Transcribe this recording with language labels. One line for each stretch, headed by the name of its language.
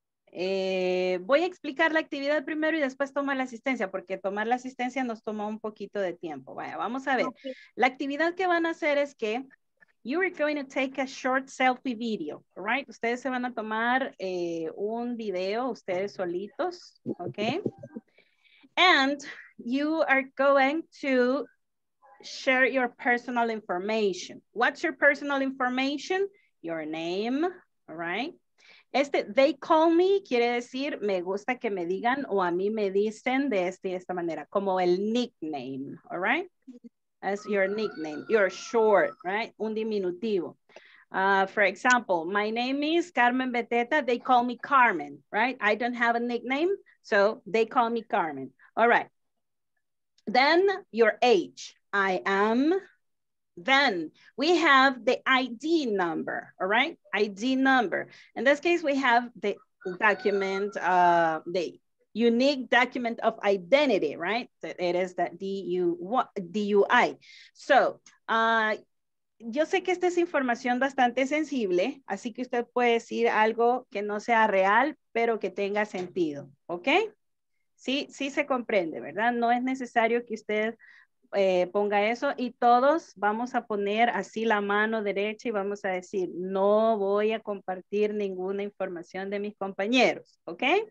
Spanish: Voy a explicar la actividad primero y después tomar la asistencia, porque tomar la asistencia nos toma un poquito de tiempo. Vaya, vamos a ver. Okay. La actividad que van a hacer es que
English: You are going to take a short selfie video, right?
Spanish: Ustedes se van a tomar un video, ustedes solitos,
English: okay? And you are going to share your personal information. What's your personal information? Your name, all right?
Spanish: Este,
English: they call me,
Spanish: quiere decir, me gusta que me digan o a mí me dicen de este, esta manera, como el nickname,
English: all right? That's your nickname, your short, right?
Spanish: Un diminutivo.
English: For example, my name is Carmen Beteta, they call me Carmen, right? I don't have a nickname, so they call me Carmen. All right, then your age, I am. Then we have the ID number, all right? ID number. In this case, we have the document, the unique document of identity, right? It is that DUI.
Spanish: So, yo sé que esta es información bastante sensible, así que usted puede decir algo que no sea real, pero que tenga sentido, okay? Sí, sí se comprende, ¿verdad? No es necesario que usted ponga eso y todos vamos a poner así la mano derecha y vamos a decir, no voy a compartir ninguna información de mis compañeros, ¿ok?